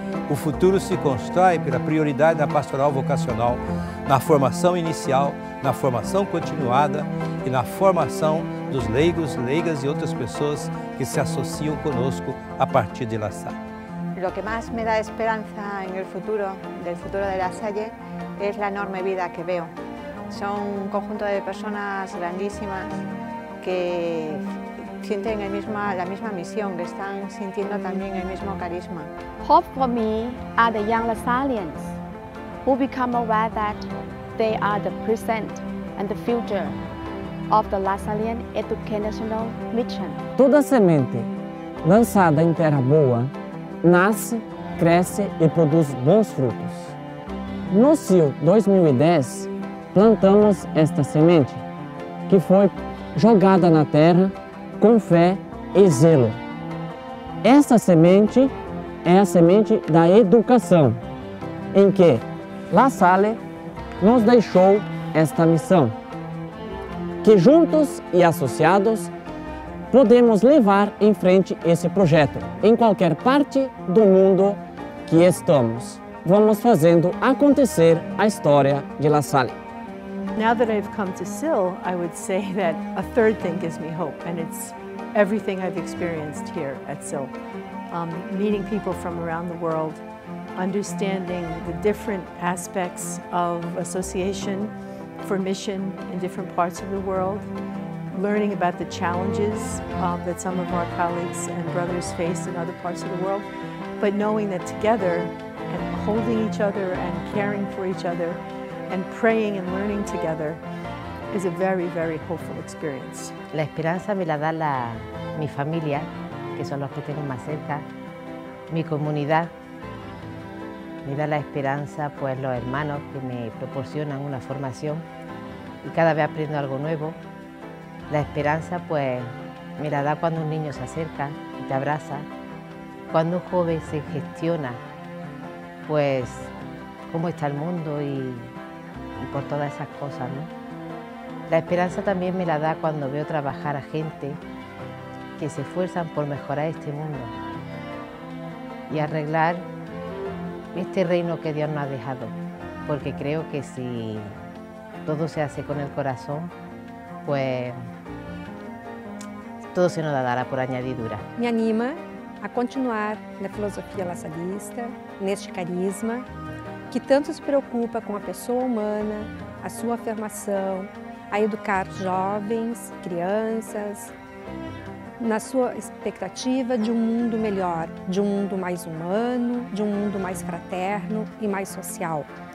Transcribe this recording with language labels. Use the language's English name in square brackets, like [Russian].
[Portuguese] O futuro se constrói pela prioridade da pastoral vocacional, na formação inicial, na formação continuada e na formação dos leigos, leigas e outras pessoas que se associam conosco a partir de La Salle. [Spanish] Lo que más me da esperanza en el futuro, del futuro de La Salle, es la enorme vida que veo. Son un conjunto de personas grandísimas, que sienten la misma misión, que están sintiendo también el mismo carisma. [English] Hope for me are the young Lasallians who become aware that they are the present and the future of the Lasallian educational mission. [Portuguese] Toda semente lançada em terra boa nasce, cresce e produz bons frutos. No CIO 2010 plantamos esta semente, que foi jogada na terra com fé e zelo. Essa semente é a semente da educação, em que La Salle nos deixou esta missão, que juntos e associados podemos levar em frente esse projeto, em qualquer parte do mundo que estamos. Vamos fazendo acontecer a história de La Salle. [English] Now that I've come to SIL, I would say that a third thing gives me hope, and it's everything I've experienced here at SIL. Meeting people from around the world, understanding the different aspects of association for mission in different parts of the world, learning about the challenges that some of our colleagues and brothers face in other parts of the world, but knowing that together and holding each other and caring for each other and praying and learning together is a very, very hopeful experience. [Spanish] La esperanza me la da la mi familia, que son los que tengo más cerca, mi comunidad. Me da la esperanza, pues, los hermanos que me proporcionan una formación y cada vez aprendo algo nuevo. La esperanza, pues, me la da cuando un niño se acerca y te abraza. Cuando un joven se gestiona, pues, cómo está el mundo y por todas esas cosas, ¿no? La esperanza también me la da cuando veo trabajar a gente que se esfuerzan por mejorar este mundo y arreglar este reino que Dios nos ha dejado, porque creo que si todo se hace con el corazón, pues todo se nos dará por añadidura. [Portuguese] Me anima a continuar na filosofia laçalista, neste carisma, que tanto se preocupa com a pessoa humana, a sua afirmação, a educar jovens, crianças, na sua expectativa de um mundo melhor, de um mundo mais humano, de um mundo mais fraterno e mais social.